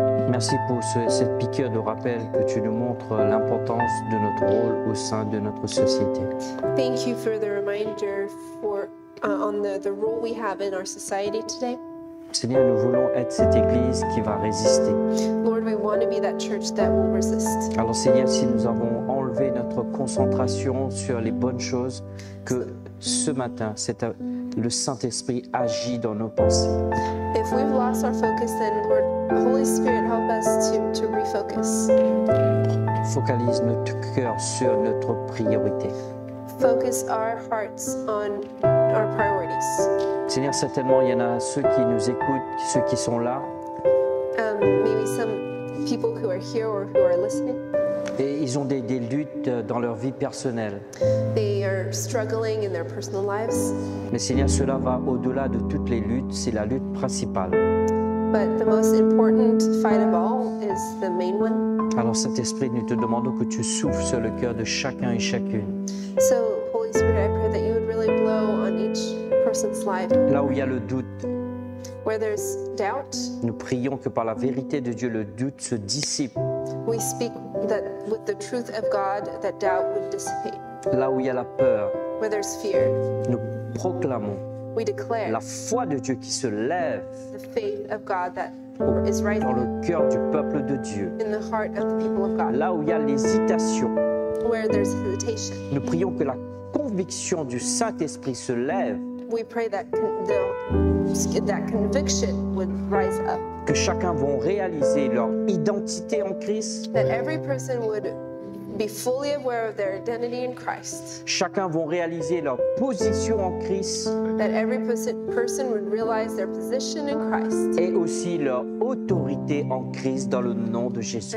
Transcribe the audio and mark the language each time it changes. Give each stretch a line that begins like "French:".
French: Merci pour cette piqûre de rappel que tu nous montres l'importance de notre rôle au sein de notre société.
English: Thank you for the reminder on the role we have in our society today.
French: Seigneur, nous voulons être cette église qui va résister.
English: Lord, we want to be that church that will resist.
French: Alors Seigneur, si nous avons enlevé notre concentration sur les bonnes choses, que ce matin, le Saint-Esprit agit dans nos pensées.
English: If we've lost our focus, then Lord, Holy Spirit, help us to refocus.
French: Focalise notre cœur sur notre priorité.
English: Focus our hearts on our priorities.
French: Seigneur, certainement, il y en a ceux qui nous écoutent, ceux qui sont là.
English: Maybe some people who are here or who are listening.
French: Et ils ont des luttes dans leur vie personnelle.
English: They are struggling in their personal lives.
French: Mais Seigneur, cela va au-delà de toutes les luttes, c'est la lutte principale.
English: But the most important fight of all is the main one.
French: Alors Saint-Esprit, nous te demandons que tu souffles sur le cœur de chacun et chacune.
English: So Holy Spirit, I pray that you would really blow on each person's life.
French: Là où il y a le doute.
English: Where there's doubt.
French: Nous prions que par la vérité de Dieu, le doute se dissipe.
English: We speak that with the truth of God, that doubt would dissipate.
French: Là où il y a la peur,
English: where there's fear,
French: nous proclamons
English: we declare
French: la foi de Dieu qui se lève
English: the faith of God that is rising
French: dans le cœur du peuple de Dieu.
English: In the heart of the people of God.
French: Là où il y a l'hésitation,
English: where there's hesitation.
French: Nous prions que la conviction du Saint-Esprit se lève.
English: We pray that that conviction would rise up.
French: Que chacun vont réaliser leur identité en Christ.
English: That every person would be fully aware of their identity in Christ.
French: Chacun vont réaliser leur position en Christ.
English: That every person would realize their position in Christ.
French: Et aussi leur autorité en Christ dans le nom de Jésus.